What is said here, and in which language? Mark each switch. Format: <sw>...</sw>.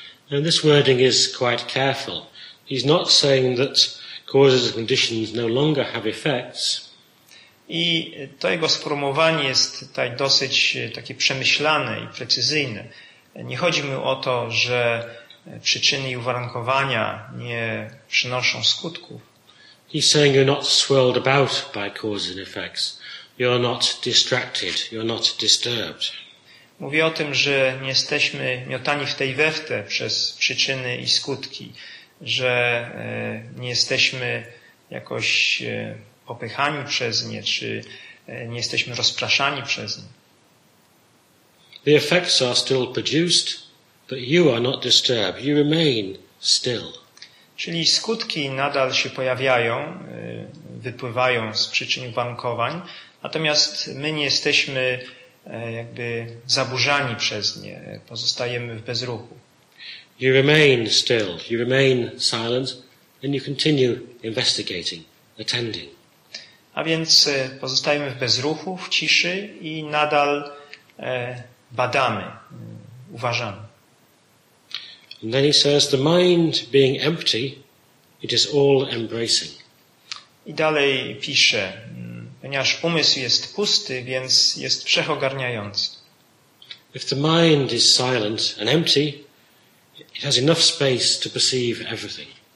<en>And this wording is quite careful. He's not saying that causes and conditions no longer have effects.</en> <pl>I to jego sformułowanie jest tutaj dosyć takie przemyślane i precyzyjne. Nie chodzi mu o to, że przyczyny i uwarunkowania nie przynoszą skutków.</pl> <en>He's saying you're not swirled about by causes and effects. You're not distracted. You're not disturbed.</en> <pl>Mówi o tym, że nie jesteśmy miotani w tej wewte przez przyczyny i skutki, że nie jesteśmy jakoś popychani przez nie, czy nie jesteśmy rozpraszani przez nie.</pl> <en>The effects are still produced, but you are not disturbed. You remain still.</en> <pl>Czyli skutki nadal się pojawiają, wypływają z przyczyn i uwarunkowań, natomiast my nie jesteśmy jakby zaburzani przez nie, pozostajemy w bezruchu.</pl> <en>You remain still, you remain silent, and you continue investigating, attending.</en> <pl>A więc pozostajemy w bezruchu, w ciszy i nadal badamy, uważamy.</pl> <en>And then he says, the mind being empty, it is all embracing.</en> <pl>I dalej pisze, ponieważ umysł jest pusty, więc jest wszechogarniający.</pl> <en>If the mind is silent and empty, it has enough space to perceive everything.</en>